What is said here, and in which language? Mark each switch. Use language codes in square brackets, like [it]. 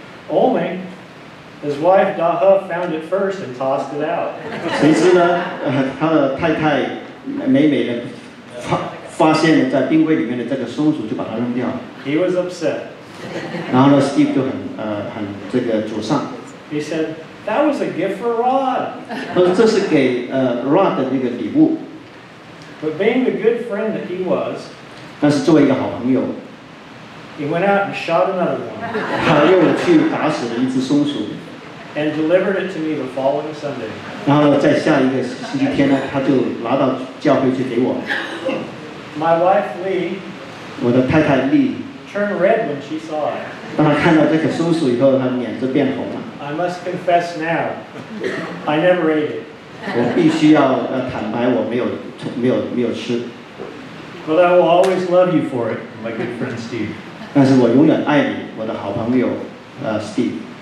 [en] Olmec, his wife Daha found it first and tossed it out. [zh] 谁知呢？他的太太美美的发现了在冰柜里面的这个松鼠，就把它扔掉。 [en] He was upset. [zh] 然后呢 ，Steve 就很这个沮丧。 [en] He said that was a gift for Rod. [zh] 他说这是给Rod 的那个礼物。 [en] But being the good friend that he was, [zh] 但是作为一个好朋友 [en] ，He went out and shot another one. [zh] 他又去打死了一只松鼠。 [en] And delivered it to me the following Sunday. [zh] 然后呢，在下一个星期天呢，他就拿到教会去给我。 [en] My wife Lee. [zh] 我的太太 Lee. [en] Turned red when she saw it. [zh] 当她看到这个松鼠以后，她脸就变红了。 [en] I must confess now, I never ate it. [zh] 我必须要坦白，我没有吃。 [en] But I will always love you for it, my good friend Steve. [zh] 但是我永远爱你，我的好朋友Steve.